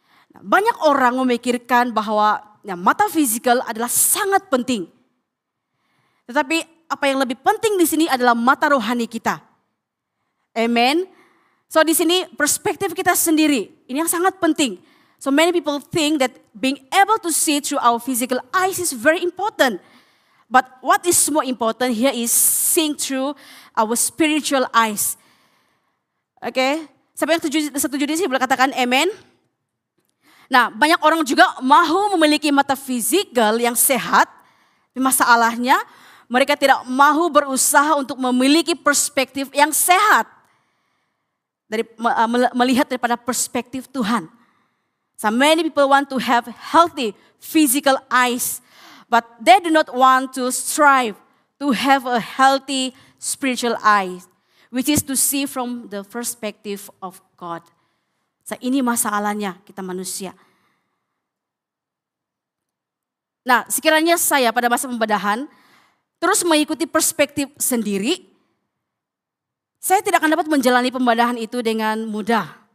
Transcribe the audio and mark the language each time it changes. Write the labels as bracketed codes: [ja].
[ms] Nah, banyak orang memikirkan bahwa ya, mata fisikal adalah sangat penting. Tetapi apa yang lebih penting di sini adalah mata rohani kita. Amen. So di sini perspektif kita sendiri ini yang sangat penting. [en] So many people think that being able to see through our physical eyes is very important. But what is more important here is seeing through our spiritual eyes. [ms] Oke, siapa yang setuju di sini boleh katakan amen. Nah, banyak orang juga mau memiliki mata fisikal yang sehat, tapi masalahnya mereka tidak mau berusaha untuk memiliki perspektif yang sehat dari melihat daripada perspektif Tuhan. [en] So many people want to have healthy physical eyes, but they do not want to strive to have a healthy spiritual eyes. Which is to see from the perspective of God. [ms] So ini masalahnya kita manusia. Nah, sekiranya saya pada masa pembedahan terus mengikuti perspektif sendiri, saya tidak akan dapat menjalani pembedahan itu dengan mudah.